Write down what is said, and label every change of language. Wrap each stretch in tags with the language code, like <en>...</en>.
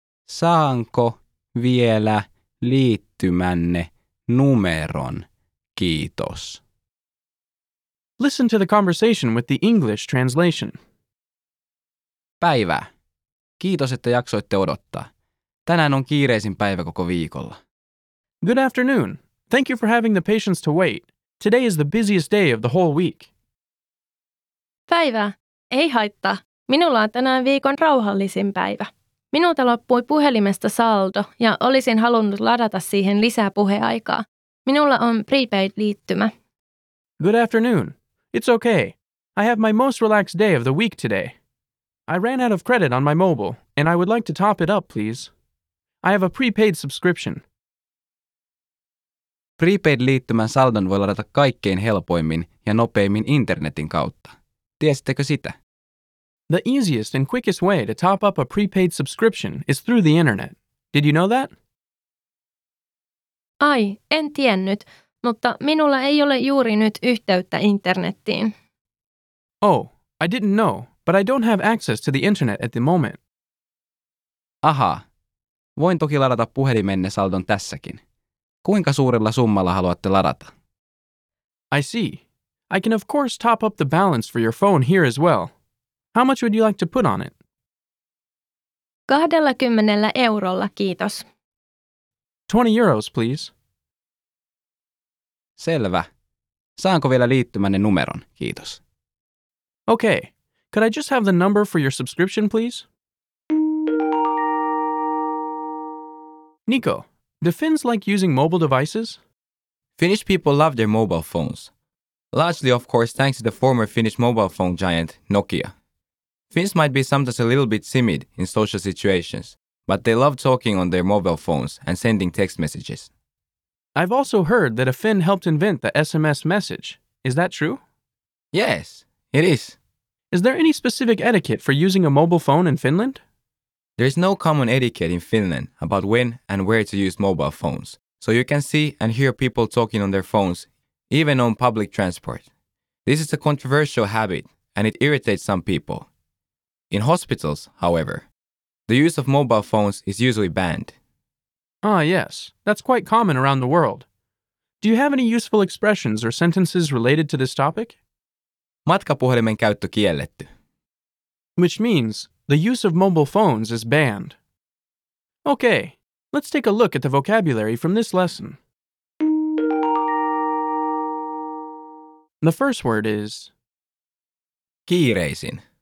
<fi>Saanko vielä liittymänne numeron, kiitos.</fi> <en>Listen to the conversation with the English translation.</en> <fi>Päivää. Kiitos, että jaksoitte odottaa. Tänään on kiireisin päivä koko viikolla.</fi> <en>Good afternoon. Thank you for having the patience to wait. Today is the busiest day of the whole week.</en> <fi>Päivää. Ei haittaa. Minulla on tänään viikon rauhallisin päivä. Minulta loppui puhelimesta saldo ja olisin halunnut ladata siihen lisää puheaikaa. Minulla on prepaid-liittymä.</fi> <en>Good afternoon. It's okay. I have my most relaxed day of the week today. I ran out of credit on my mobile, and I would like to top it up, please. I have a prepaid subscription.</en> <fi>Prepaid-liittymän saldon voi ladata kaikkein helpoimmin ja nopeimmin internetin kautta. Tiesittekö sitä?</fi> <en>The easiest and quickest way to top up a prepaid subscription is through the internet. Did you know that?</en> <fi>Ai, en tiennyt, mutta minulla ei ole juuri nyt yhteyttä internettiin.</fi> <en>Oh, I didn't know, but I don't have access to the internet at the moment.</en> <fi>Aha, voin toki ladata puhelimenne saldon tässäkin. Kuinka suurella summalla haluatte ladata?</fi> <en>I see. I can of course top up the balance for your phone here as well. How much would you like to put on it?</en> <fi>20 €, kiitos.</fi> <en>20 €, please.</en> <fi>Selvä. Saanko vielä liittymänne numeron, kiitos.</fi> <en>Okay, could I just have the number for your subscription, please? Nico, do Finns like using mobile devices? Finnish people love their mobile phones. Largely, of course, thanks to the former Finnish mobile phone giant, Nokia. Finns might be sometimes a little bit timid in social situations, but they love talking on their mobile phones and sending text messages. I've also heard that a Finn helped invent the SMS message. Is that true? Yes, it is. Is there any specific etiquette for using a mobile phone in Finland? There is no common etiquette in Finland about when and where to use mobile phones, so you can see and hear people talking on their phones, even on public transport. This is a controversial habit, and it irritates some people. In hospitals, however, the use of mobile phones is usually banned. Ah, yes. That's quite common around the world. Do you have any useful expressions or sentences related to this topic?</en> <fi>Matkapuhelimen käyttö kielletty.</fi> <en>Which means, the use of mobile phones is banned. Okay, let's take a look at the vocabulary from this lesson. The first word is</en> <fi>kiireisin.</fi>